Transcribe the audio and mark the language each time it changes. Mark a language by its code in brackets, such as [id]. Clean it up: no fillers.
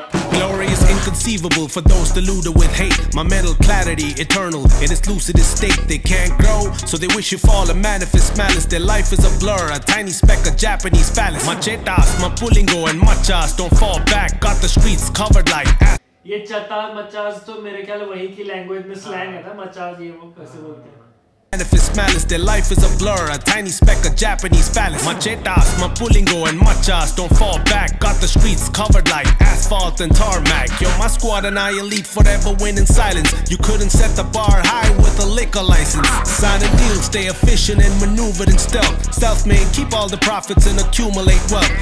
[en] Glorious, inconceivable for those deluded with hate. My mental clarity, eternal, in its lucid state. They can't grow, so they wish you fall and manifest malice. Their life is a blur, a tiny speck of Japanese palace. My chetas, my pulingo and machas, don't fall back, got the streets covered like ass. [hi] ये चटा मचास तो मेरे ख्याल वही की language में slang है ना, मचास ये वो कैसे बोलते हैं। [en] Manifest malice, their life is a blur, a tiny speck of Japanese palace. Machetas, my pulingo and machas, don't fall back, got the streets covered like asphalt and tarmac. Yo, my squad and I elite, forever win in silence. You couldn't set the bar high with a liquor license. Sign a deal, stay efficient and maneuvered in stealth. Self-made, keep all the profits and accumulate wealth.